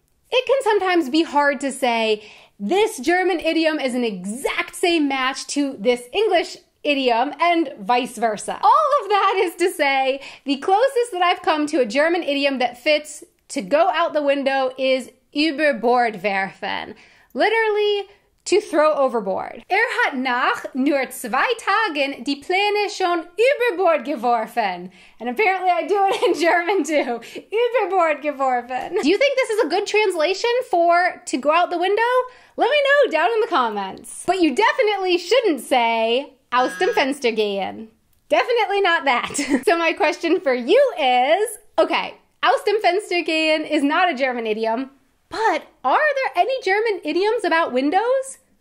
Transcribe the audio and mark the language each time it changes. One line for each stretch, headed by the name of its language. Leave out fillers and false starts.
English: It can sometimes be hard to say this German idiom is an exact same match to this English idiom and vice versa. All of that is to say the closest that I've come to a German idiom that fits to go out the window is
German: überbord werfen.
English: Literally, to throw overboard.
German: Hat nach nur 2 Tagen die Pläne schon überbord geworfen.
English: And apparently I do it in German too.
German: Überbord geworfen.
English: Do you think this is a good translation for to go out the window? Let me know down in the comments. But you definitely shouldn't say
German: aus dem Fenster gehen.
English: Definitely not that. So my question for you is, okay,
German: aus dem Fenster gehen
English: is not a German idiom, but are there any German idioms about windows?